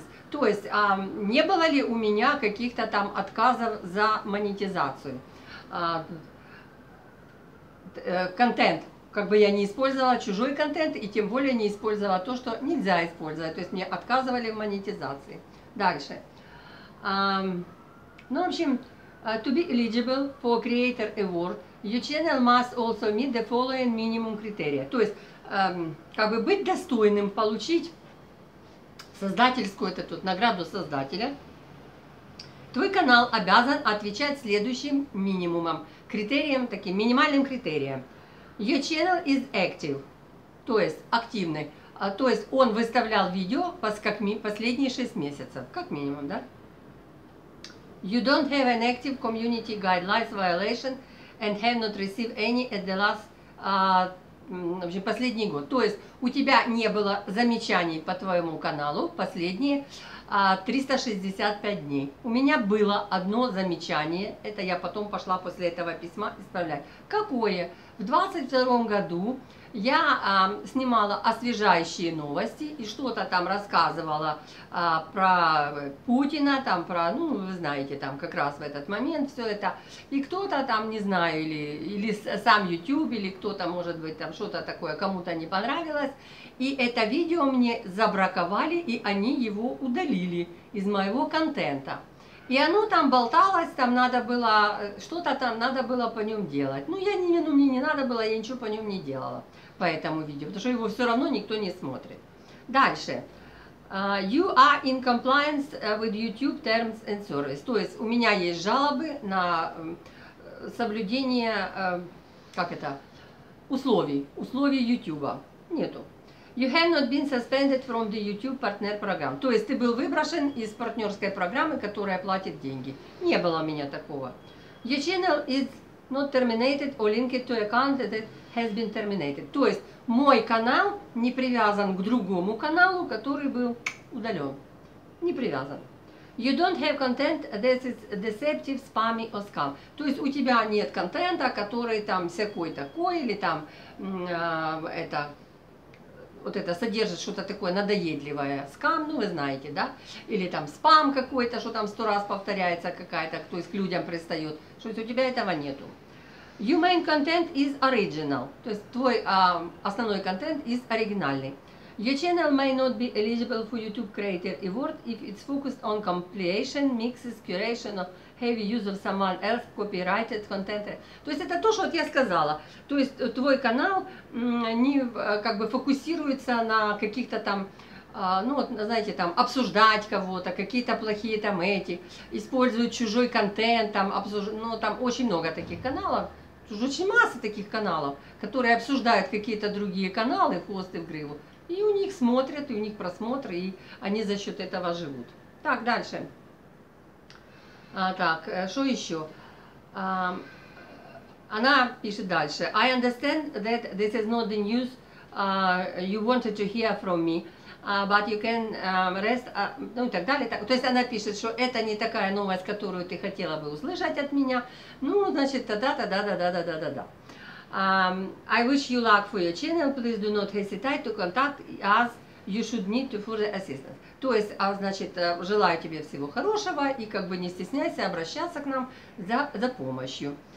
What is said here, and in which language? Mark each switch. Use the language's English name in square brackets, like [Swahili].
[Russian] То есть, не было ли у меня каких-то там отказов за монетизацию? Контент, как бы я не использовала чужой контент, и тем более не использовала то, что нельзя использовать. То есть, мне отказывали в монетизации. Дальше. Ну, в общем, [English] to be eligible for Creator Award, your channel must also meet the following minimum criteria. [Russian] То есть, как бы быть достойным получить создательскую, это тут награду создателя, твой канал обязан отвечать следующим минимумам, критериям, таким минимальным критериям. [English] Your channel is active, [Russian] то есть активный, то есть он выставлял видео последние 6 месяцев, как минимум, да? [English] You don't have an active community guidelines violation and have not received any at the last, [Russian] в общем, последний год. То есть у тебя не было замечаний по твоему каналу последние 365 дней. У меня было одно замечание. Это я потом пошла после этого письма исправлять. Какое? В 22-м году я снимала освежающие новости и что-то там рассказывала про Путина, там про, ну, вы знаете, там как раз в этот момент все это. И кто-то там, не знаю, или сам YouTube, или кто-то, может быть, там что-то такое кому-то не понравилось. И это видео мне забраковали, и они его удалили из моего контента. И оно там болталось, там надо было, что-то там надо было по нем делать. Ну, я не, ну, мне не надо было, я ничего по нем не делала, по этому видео, потому что его все равно никто не смотрит. Дальше. [English] You are in compliance with YouTube terms and service. [Russian] То есть у меня есть жалобы на соблюдение, как это, условий YouTube. Нету. [English] You have not been suspended from the YouTube partner program. [Russian] То есть ты был выброшен из партнерской программы, которая платит деньги. Не было у меня такого. [English] Your channel is not terminated or linked to account that has been terminated. [Russian] То есть мой канал не привязан к другому каналу, который был удален. Не привязан. [English] You don't have content that is deceptive, spammy or scam. [Russian] То есть у тебя нет контента, который там всякой такой или там это... Вот это содержит что-то такое надоедливое, скам, ну вы знаете, да? Или там спам какой-то, что там 100 раз повторяется какая-то, то есть к людям пристает. Что у тебя этого нету. [English] Your main content is original. [Russian] То есть твой основной контент [English] is [Russian] оригинальный. [English] Your channel may not be eligible for YouTube Creator Award if it's focused on compilation, mixes, curation of heavy use of someone else copyrighted content. [Russian] То есть это то, что вот я сказала. То есть твой канал не как бы фокусируется на каких-то там, ну вот, знаете, там обсуждать кого-то, какие-то плохие там эти, используют чужой контент, там обсуждают, ну там очень много таких каналов, очень масса таких каналов, которые обсуждают какие-то другие каналы, хвосты в гриву, и у них смотрят, и у них просмотры, и они за счет этого живут. Так, дальше. Так, что еще? Она пишет дальше. [English] I understand that this is not the news you wanted to hear from me, but you can rest... [Russian] ну и так далее. Так. То есть она пишет, что это не такая новость, которую ты хотела бы услышать от меня. Ну, значит, да-да-да-да-да-да-да-да. [English] I wish you luck for your channel. Please do not hesitate to contact us. You should need to further assistance. [Russian] То есть, значит, желаю тебе всего хорошего и как бы не стесняйся обращаться к нам за помощью.